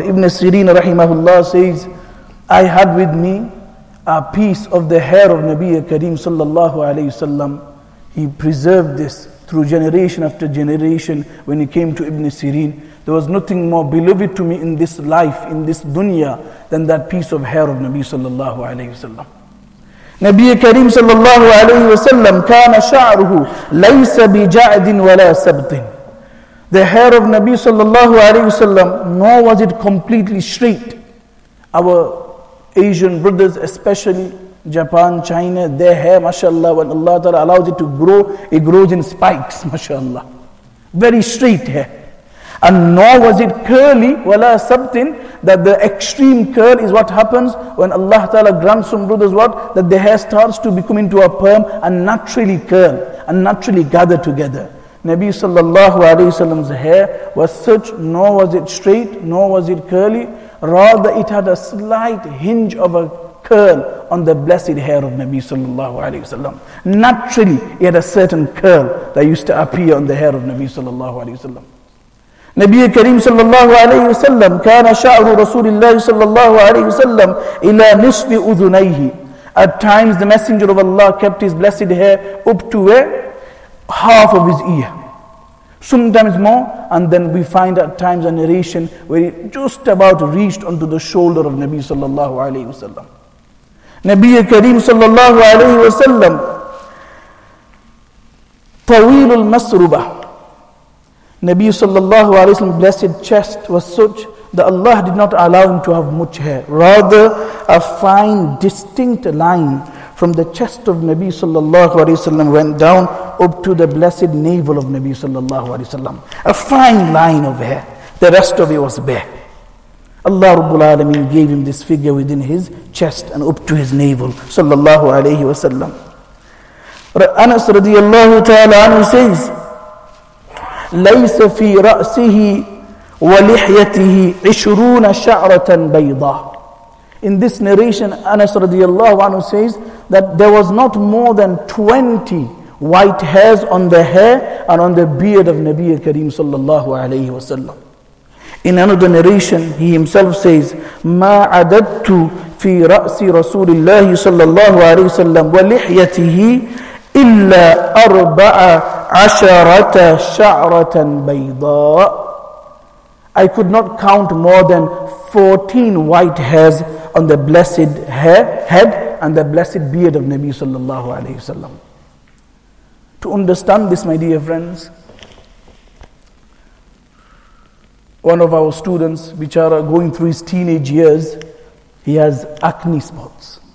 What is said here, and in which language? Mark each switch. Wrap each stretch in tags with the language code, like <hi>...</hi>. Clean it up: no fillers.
<en>Ibn Sirin rahimahullah says, I had with me a piece of the hair of Nabi Kareem sallallahu alayhi wasallam. He preserved this through generation after generation. When he came to Ibn Sirin, there was nothing more beloved to me in this life, in this dunya, than that piece of hair of Nabi sallallahu alayhi wasallam.</en> <ar>نبي كريم صلى الله عليه وسلم كان شعره ليس بجعد ولا سبط.</ar> <en>The hair of Nabi صلى الله عليه وسلم, nor was it completely straight. Our Asian brothers, especially Japan, China, their hair, mashallah, when Allah Ta'ala allows it to grow, it grows in spikes, mashallah. Very straight hair. And nor was it curly, wala sabtin, that the extreme curl is what happens when Allah Ta'ala grants some brothers what? That the hair starts to become into a perm and naturally curl and naturally gather together. Nabi sallallahu alayhi wa sallam's hair was such, nor was it straight, nor was it curly. Rather, it had a slight hinge of a curl on the blessed hair of Nabi sallallahu alayhi wa sallam. Naturally, it had a certain curl that used to appear on the hair of Nabi sallallahu alayhi wa sallam.</en> <ar>نبي كريم صلى الله عليه وسلم كان شعر رسول الله صلى الله عليه وسلم إلى نصف أذنيه.</ar> <en>At times the messenger of Allah kept his blessed hair up to where? Half of his ear. Sometimes more, and then we find at times a narration where it just about reached onto the shoulder of Nabi صلى الله عليه وسلم.</en> <ar>نبي كريم صلى الله عليه وسلم طويل المسربة.</ar> <en>Nabi sallallahu alayhi wa sallam's blessed chest was such that Allah did not allow him to have much hair. Rather, a fine distinct line from the chest of Nabi sallallahu alayhi wa sallam went down up to the blessed navel of Nabi sallallahu alayhi wa sallam. A fine line of hair. The rest of it was bare. Allah Rabbul Alameen gave him this figure within his chest and up to his navel sallallahu alayhi wa sallam.</en> <ar>Anas radiallahu ta'ala anhu says, ليس في رأسه ولحيته عشرون شعرة بيضاء.</ar> <en>In this narration, Anas radiallahu anhu says that there was not more than 20 white hairs on the hair and on the beard of Nabi Kareem sallallahu alayhi wa sallam. In another narration, he himself says,</en> <ar>ما عددت في رأس رسول الله صلى الله عليه وسلم ولحيته إلا أربعة عشرة شعرة بيضاء.</ar> <en>I could not count more than 14 white hairs on the blessed head and the blessed beard of Nabi sallallahu alayhi wa sallam. To understand this, my dear friends, one of our students, Bichara, going through his teenage years, he has acne spots.</en>